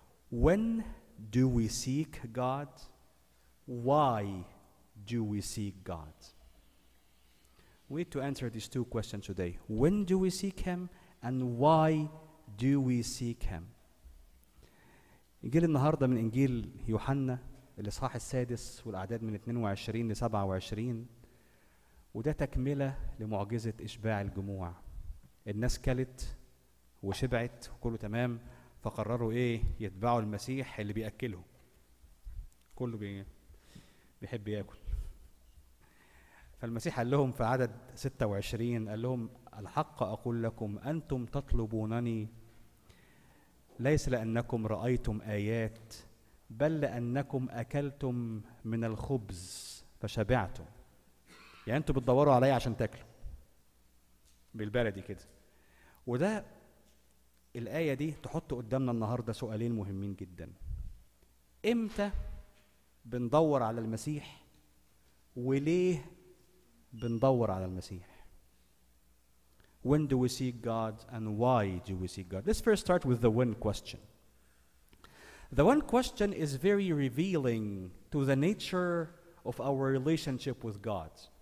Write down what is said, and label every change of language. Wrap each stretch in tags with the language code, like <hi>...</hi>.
<en>When do we seek God? Why do we seek God? We need to answer these two questions today. When do we seek him, and why do we seek him?</en> <ar>إنجيل النهاردة من إنجيل يوحنا الإصحاح السادس والأعداد من 22 ل 27. وده تكملة لمعجزة إشباع الجموع. الناس كلت وشبعت وكله تمام، فقرروا إيه؟ يتبعوا المسيح اللي بيأكلهم. كله بيحب يأكل. فالمسيح قال لهم في عدد 26، قال لهم: الحق أقول لكم، أنتم تطلبونني ليس لأنكم رأيتم آيات، بل لأنكم أكلتم من الخبز فشبعتم. يعني انتوا بتدوروا علي عشان تاكلوا، بالبلدي كده. وده الآية دي تحط قدامنا النهاردة سؤالين مهمين جدا. امتى بندور على المسيح؟ وليه بندور على المسيح؟</ar> <en>When do we seek God and why do we seek God? Let's first start with the when question. The when question is very revealing to the nature of our relationship with God.</en>